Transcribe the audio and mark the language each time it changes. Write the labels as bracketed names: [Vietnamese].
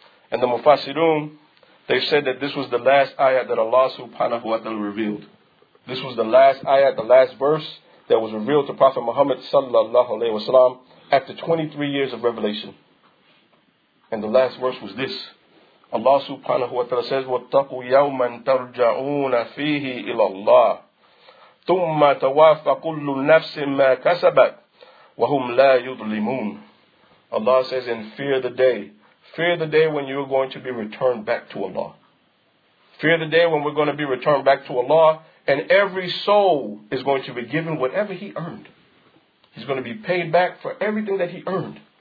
[English] And the Mufassirun, they said that this was the last ayat that Allah subhanahu wa ta'ala revealed. This was the last ayat, the last verse that was revealed to Prophet Muhammad sallallahu alayhi wa sallam after 23 years of revelation. And the last verse was this. Allah subhanahu wa ta'ala says, [Arabic] وَاتَّقُوا يَوْمًا تَرْجَعُونَ فِيهِ إِلَى اللَّهِ ثُمَّ تَوَافَ كُلُّ نَفْسٍ مَّا كَسَبَتْ وَهُمْ لَا يُظْلِمُونَ. [English] Allah says, and fear the day. Fear the day when you're going to be returned back to Allah. Fear the day when we're going to be returned back to Allah, and every soul is going to be given whatever he earned. He's going to be paid back for everything that he earned.